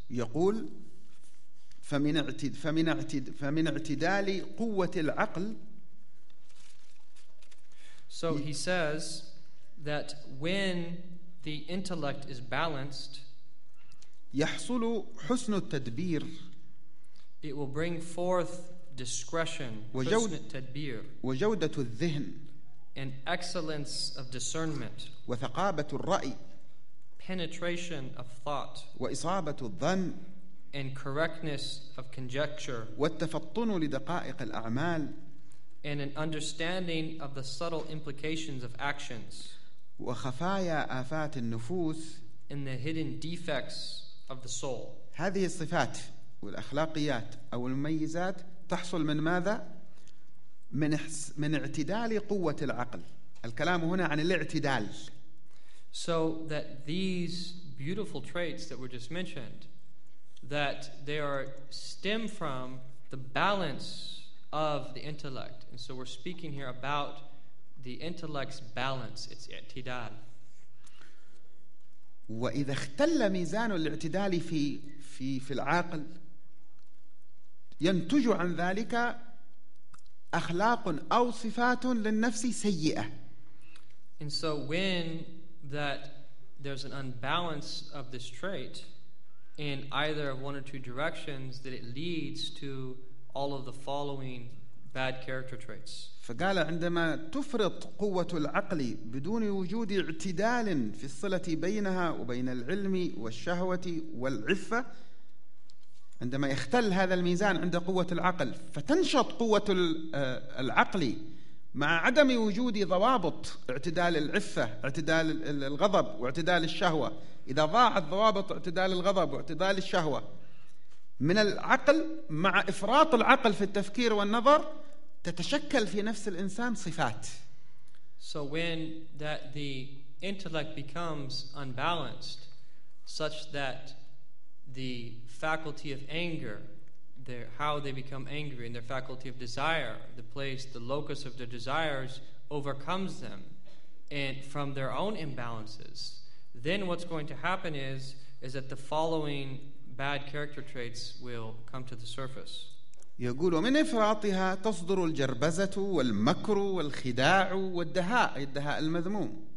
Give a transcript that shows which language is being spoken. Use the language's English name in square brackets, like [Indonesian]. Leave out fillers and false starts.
[Arabic] يقول فمن اعتدال قوة العقل. [English] So he says that when the intellect is balanced, [Arabic] يحصل حسن التدبير. [English] It will bring forth discretion, [Arabic] حسن التدبير, وجودة الذهن, [English] and excellence of discernment, [Arabic] وثقابة الرأي, [English] penetration of thought, [Arabic] وإصابة الظن, [English] and correctness of conjecture, [Arabic] والتفطن لدقائق الأعمال, [English] and an understanding of the subtle implications of actions, [Arabic] وخفايا آفات النفوس, [English] and the hidden defects of the soul. [Arabic] هذه الصفات والأخلاقيات أو المميزات تحصل من ماذا؟ من اعتدال قوة العقل. الكلام هنا عن الاعتدال. [English] So that these beautiful traits that were just mentioned, that they are stem from the balance of the intellect. And so we're speaking here about the intellect's balance, its اعتدال. [Arabic] وإذا اختل ميزان الاعتدال في العقل ينتج عن ذلك أخلاق أو صفات للنفس سيئة. [English] And so when that there's an unbalance of this trait in either of one or two directions, that it leads to all of the following bad character traits. [Arabic] فقال عندما تفرط قوة العقل بدون وجود اعتدال في الصلة بينها وبين العلم والشهوة والعفة عندما يختل هذا الميزان عند قوة العقل فتنشط قوة العقل مع عدم وجود ضوابط اعتدال العفة اعتدال الغضب واعتدال الشهوة إذا ضاعت ضوابط اعتدال الغضب واعتدال الشهوة من العقل مع إفراط العقل في التفكير والنظر تتشكل في نفس الإنسان صفات. [English] So when that the intellect becomes unbalanced such that the faculty of anger how they become angry in their faculty of desire, the place, the locus of their desires overcomes them, and from their own imbalances, then what's going to happen is that the following bad character traits will come to the surface. [Arabic] يقول ومن إفراطها تصدر الجربزة والمكر والخداع والدهاء الدهاء المذموم.